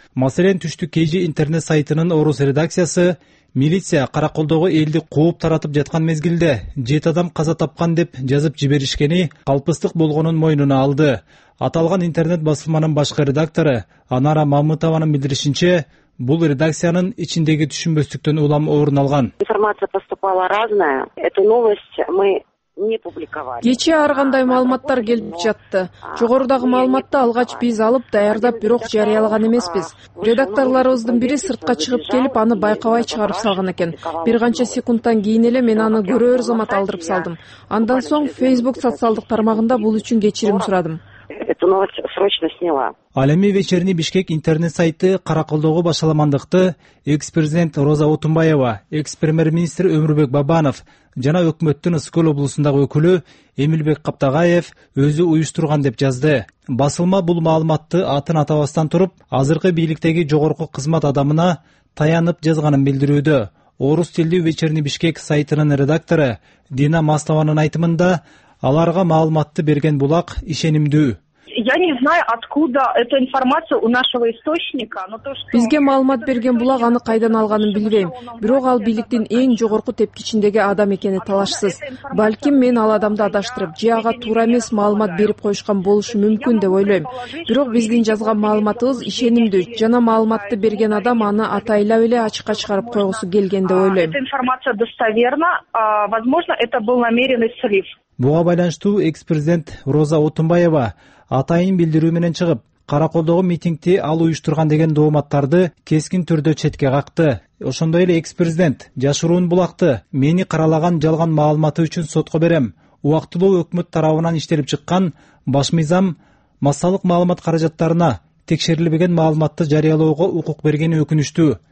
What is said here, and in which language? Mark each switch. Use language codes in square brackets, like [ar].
[ky] Маселен, түштүк кежи интернет сайтынын орус редакциясы милиция караколдогу элди кууп таратып жаткан мезгилде 7 адам каза тапкан деп жазып жиберишкени калпыстык болгонун мойнуна алды. Аталган интернет басылманын башкы редактору Анара Мамытованын билдиришинче, бул редакциянын ичиндеги түшүнбөстүктөн улам орун алган. [ru] Информация поступала разная. Эту новость мы не публиковали. [ky] Кечээ ар кандай маалыматтар келип жатты. Жогорудагы маалыматты алгач биз алып даярдап, бирок жарыялаган эмеспиз. Редакторлорубуздун бири сыртка чыгып келип, аны байкабай чыгарып салган экен. Бир канча секундтан кийин эле мен аны көрөр замат алдырып салдым. Андан соң Facebook социалдык тармагында бул үчүн кечирим сурадым. [ru] Эту новость срочно сняла. [ky] Ал эми вечерний Бишкек интернет сайты Каракылдоого башаламандыкты экс-президент Роза Отунбаева, экс-премьер-министр Өмүрбек Бабанов жана өкмөттүн Ысык Көл облусундагы өкүлү Эмилбек Каптагаев өзү уюштурган деп жазды. Басылма бул маалыматты атын атабастан туруп, азыркы бийликтеги жогорку кызмат адамына таянып жазганын билдирүүдө. Орус тилдүү вечерний Бишкек сайтынын редактору Дина Мастованын айтымында, аларга маалыматты берген булак ишенимдүү. [ru] Я не знаю, откуда эта информация у нашего источника, но то, что [ky] бизге маалымат берген булак аны кайдан алганын билбейм, бирок ал бийликтин эң жогорку тепкичиндеги адам экени талашсыз. Балким мен ал адамды адаштырып, же ага туура эмес маалымат берип коюшкан болушу мүмкүн деп ойлойм. Бирок биздин жазган маалыматыбыз ишенимдүү жана маалыматты берген адам аны атайлап эле ачыкка чыгарып койгусу келген деп ойлойм. [ru] Эта информация достоверна, возможно, это был намеренный слив. [ky] Буга байланыштуу экс-президент Роза Отунбаева атайын билдирүү менен чыгып, Караколдогу митингти ал уюштурган деген дооматтарды кескин түрдө четке какты. Ошондой эле экс-президент жашыруун булакты мени каралаган жалган маалыматы үчүн сотко берем. Убактылуу өкмөт тарабынан иштелип чыккан баш мыйзам массалык маалымат каражаттарына текшерилбеген маалыматты жарыялоого укук бергени өкүнүчтүү.